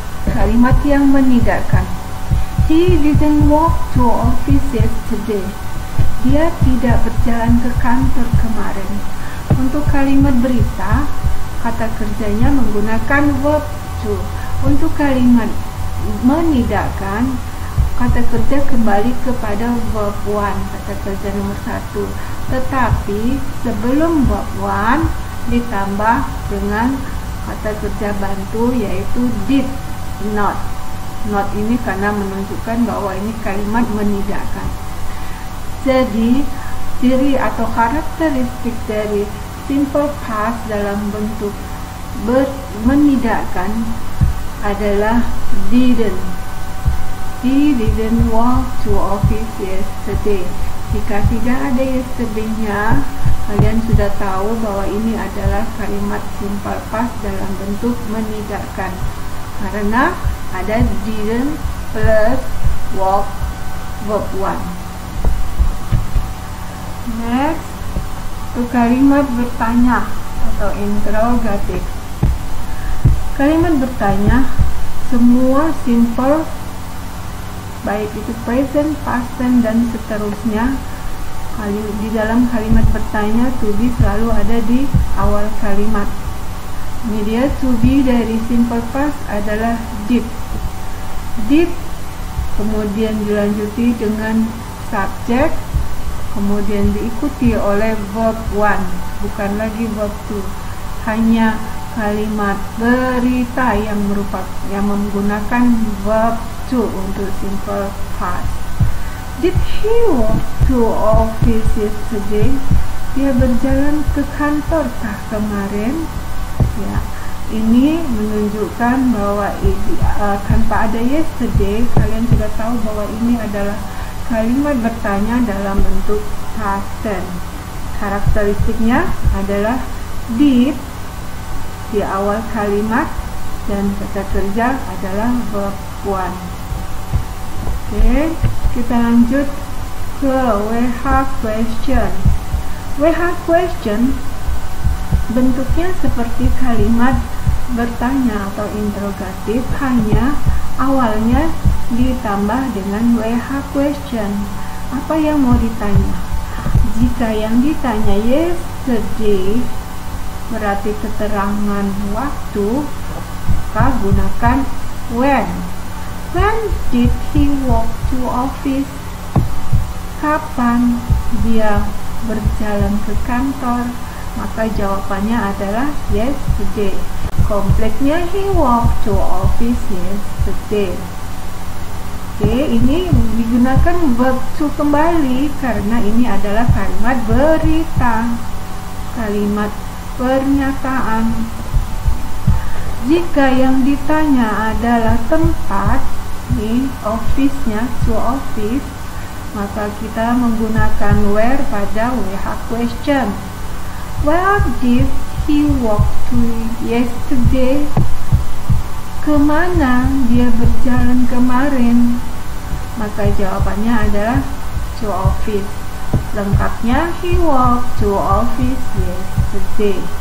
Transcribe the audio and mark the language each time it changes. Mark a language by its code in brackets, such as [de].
[id] Kalimat yang menegaskan, [en] he didn't walk to office yesterday. [id] Dia tidak berjalan ke kantor kemarin. Untuk kalimat berita, kata kerjanya menggunakan verb to. Untuk kalimat menidakkan, kata kerja kembali kepada verb 1, kata kerja nomor 1. Tetapi sebelum verb 1 ditambah dengan kata kerja bantu yaitu did not. Not ini karena menunjukkan bahwa ini kalimat menidakkan. Jadi, ciri atau karakteristik dari simple past dalam bentuk menidakkan adalah didn't. [en] He didn't walk to office yesterday. [id] Jika tidak ada yesterday-nya, kalian sudah tahu bahwa ini adalah kalimat simple past dalam bentuk menidakkan. Karena ada didn't plus walk verb 1. Next, ke kalimat bertanya atau interrogatif. Kalimat bertanya, semua simple, baik itu present, past tense, dan seterusnya, di dalam kalimat bertanya, to be selalu ada di awal kalimat. Ini dia, to be dari simple past adalah did. Did, kemudian dilanjuti dengan subject, kemudian diikuti oleh verb 1, bukan lagi verb 2. Hanya kalimat berita yang merupakan yang menggunakan verb 2 untuk simple past. [en] Did he walk to office yesterday? [id] Dia berjalan ke kantor kah kemarin? Ya, ini menunjukkan bahwa tanpa ada yesterday, kalian sudah tahu bahwa ini adalah kalimat bertanya dalam bentuk past tense. Karakteristiknya adalah deep di awal kalimat dan kata kerja adalah verb one. Oke, kita lanjut ke WH question. WH question bentuknya seperti kalimat bertanya atau interrogatif, hanya awalnya ditambah dengan WH question. Apa yang mau ditanya? Jika yang ditanya yesterday, berarti keterangan waktu, maka gunakan when. [en] When did he walk to office? [id] Kapan dia berjalan ke kantor? Maka jawabannya adalah yesterday. Kompleksnya [en] he walked to office yesterday. [id] Oke, ini digunakan verb to kembali karena ini adalah kalimat berita, kalimat pernyataan. Jika yang ditanya adalah tempat, ini office-nya, to office, maka kita menggunakan where pada WH question. [en] Where did he walk to yesterday? [id] Kemana dia berjalan kemarin? Maka jawabannya adalah to office. Lengkapnya, [en] he walked to office yesterday.